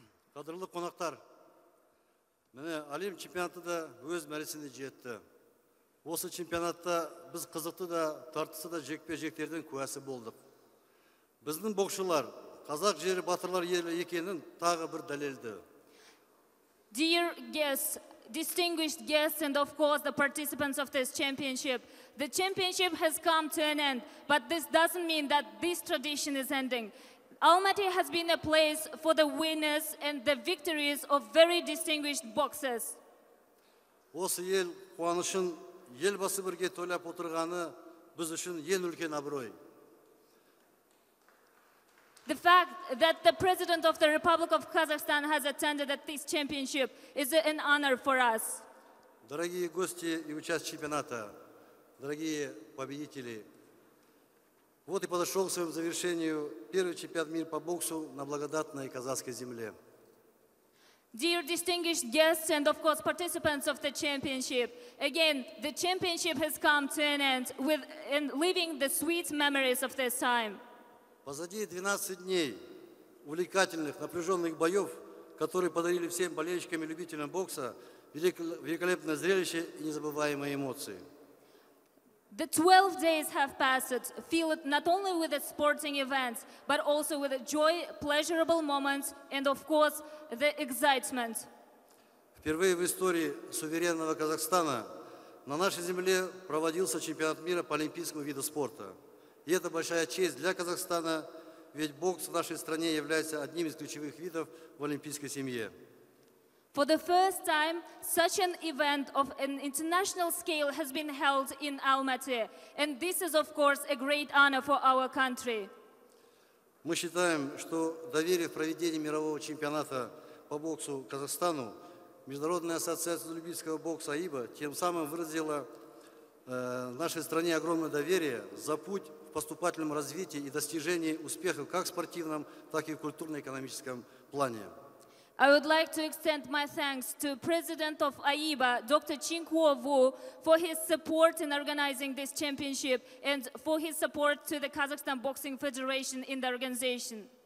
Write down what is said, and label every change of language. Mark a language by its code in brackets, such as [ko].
[kk] Қадірлі қонақтар, міне әлем чемпионаты да өз мәресіне жетті. Осы чемпионатта біз қызықты да, тартысты да жекпе-жектердің куәсі болдық. Біздің боксшылар қазақ жері батырлар елі екенін тағы бір дәлелді. [en] Dear guests, distinguished guests, and of course the participants of this championship, the championship has come to an end, but this doesn't mean that this tradition is ending. Almaty has been a place for the winners and the victories of very distinguished boxers. [kk] Осы ел қуанышын елбасы бірге тойлап отырғаны біз үшін ең үлкен абырой. [en] The fact that the President of the Republic of Kazakhstan has attended at this championship is an honor for us. [ru] Дорогие гости и участники чемпионата, дорогие победители, вот и подошел к своему завершению первый чемпионат мира по боксу на благодатной казахской земле. [en] Dear distinguished guests and of course participants of the championship, again, the championship has come to an end with and leaving the sweet memories of this time. [ru] Позади 12 дней увлекательных, напряженных боев, которые подарили всем болельщикам и любителям бокса великолепное зрелище и незабываемые эмоции. [en] The 12 days have passed, filled not only with the sporting events, but also with the joy, pleasurable moments, and of course, the excitement. [ru] Впервые в истории суверенного Казахстана на нашей земле проводился чемпионат мира по олимпийскому виду спорта. И это большая честь для Казахстана, ведь бокс в нашей стране является одним из ключевых видов в олимпийской семье. [en] For the first time, such an event of an international scale has been held in Almaty. And this is, of course, a great honor for our country. [ru] Мы считаем, что доверие в проведении мирового чемпионата по боксу Казахстану Международная ассоциация любительского бокса АИБА тем самым выразила нашей стране огромное доверие за путь в поступательном развитии и достижении успехов как в спортивном, так и в культурно-экономическом плане. [en] I would like to extend my thanks to President of AIBA, Dr. Ching-Kuo Wu, for his support in organizing this championship and for his support to the Kazakhstan Boxing Federation in the organization.